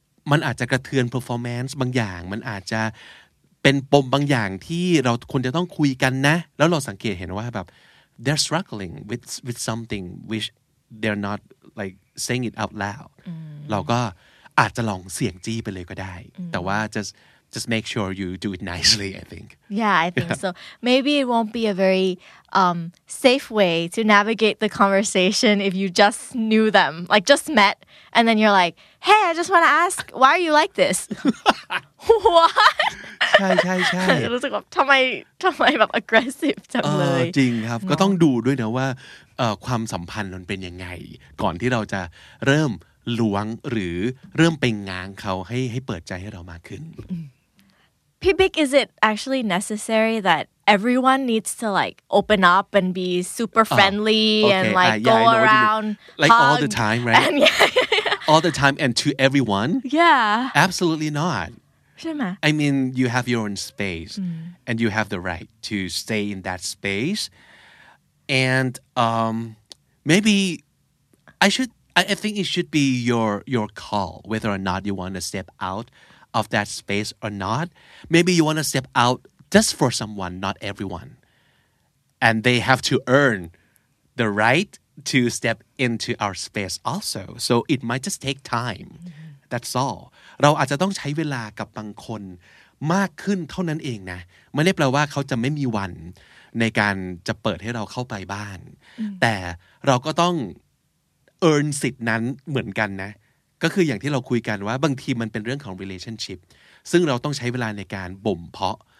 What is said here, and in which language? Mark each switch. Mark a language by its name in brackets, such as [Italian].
[Thai] มันอาจจะกระเทือน performance บางอย่างมันอาจจะเป็นปมบางอย่างที่เราควรจะต้องคุยกันนะแล้วเราสังเกตเห็นว่าแบบ [English] they're struggling with something which they're not like saying it out loud [Thai] เราก็อาจจะลองเสี่ยงจี้ไปเลยก็ได้แต่ว่า [English] Just make sure you do it nicely, I think. Yeah, I think so. Maybe it won't be a very safe way to navigate the conversation if you just knew them, like just met, and then you're like, hey, I just want to ask, why are you like this? What? [Thai] ใช่ใช่ใช่ รู้สึกแบบทำไมแบบ aggressive จังเลย จริงครับก็ต้องดูด้วยนะว่าความสัมพันธ์มันเป็นยังไงก่อนที่เราจะเริ่มหลวงหรือเริ่มไปง้างเขาให้เปิดใจให้เรามากขึ้น [English] พี่บิ๊ก is it actually necessary that everyone needs to like open up and be super friendly and like go around like all the time right and, yeah. all the time and to everyone yeah absolutely not Right? I mean, you have your own space, and you have the right to stay in that space. And maybe I should. I think it should be your call whether or not you want to step out of that space or not. Maybe you want to step out just for someone, not everyone, and they have to earn the right to step into our space also. So it might just take time. Mm-hmm. That's all. [Thai] เราอาจจะต้องใช้เวลากับบางคนมากขึ้นเท่านั้นเองนะไม่ได้แปลว่าเขาจะไม่มีวันในการจะเปิดให้เราเข้าไปบ้าน mm-hmm. แต่เราก็ต้องเอิร์นสิทธิ์นั้นเหมือนกันนะก็คืออย่างที่เราคุยกันว่าบางทีมันเป็นเรื่องของ relationship ซึ่งเราต้องใช้เวลาในการบ่มเพาะ